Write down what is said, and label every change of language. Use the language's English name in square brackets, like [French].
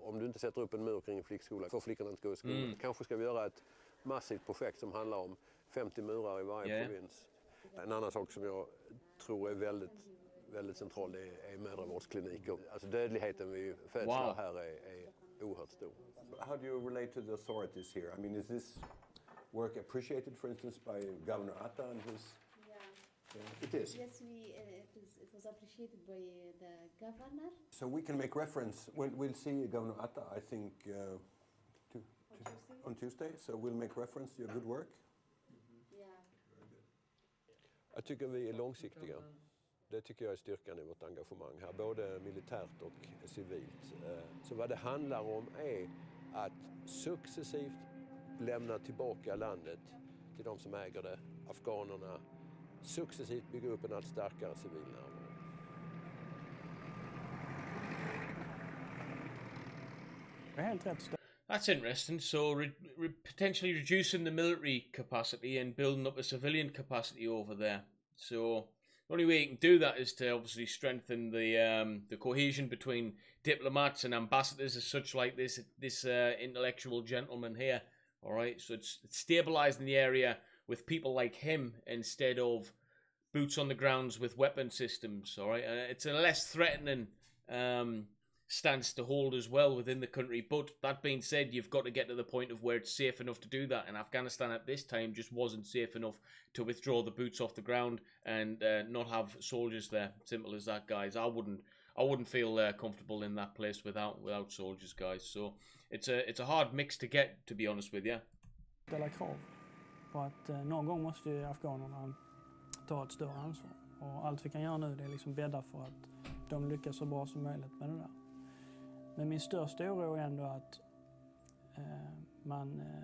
[Swedish] Om du inte sätter upp en mur kring en flickskola får flickorna inte gå i skolan. Mm. Kanske ska vi göra ett massivt projekt som handlar om 50 murar i varje provins. En annan sak som jag tror är väldigt... väldigt central är mödravårdskliniker. Alltså dödligheten vid födslar här är oerhört stor. [English] How do you relate to the authorities here? I mean, is this work appreciated, for instance, by Governor Atta and his... It is. Yes, it was appreciated by the governor. So we can make reference. We'll see Governor Atta, I think, on Tuesday. So we'll make reference to your good work. Mm-hmm. Yeah. [Swedish] Jag tycker vi är långsiktiga. Det tycker jag är styrkan i vårt engagemang här, både militärt och civilt. Så vad det handlar om är att successivt lämna tillbaka landet till de som äger det, afghanerna. Successivt bygga upp en allt starkare civil närvaro. [English] That's interesting. So potentially reducing the military capacity and building up a civilian capacity over there. So... the only way you can do that is to obviously strengthen the cohesion between diplomats and ambassadors as such, like this intellectual gentleman here, all right? So it's stabilizing the area with people like him instead of boots on the grounds with weapon systems, all right? It's a less threatening stance to hold as well within the country. But that being said, you've got to get to the point of where it's safe enough to do that. And Afghanistan at this time just wasn't safe enough to withdraw the boots off the ground and not have soldiers there. Simple as that, guys. I wouldn't feel comfortable in that place without soldiers, guys. So it's a hard mix to get, to be honest with you. [Swedish] Det är krav på att någon gång måste afghanerna ta ett större ansvar. Och allt vi kan göra nu, det är liksom bädda för att de lyckas så bra som möjligt med det där. Men min största oro är ändå att man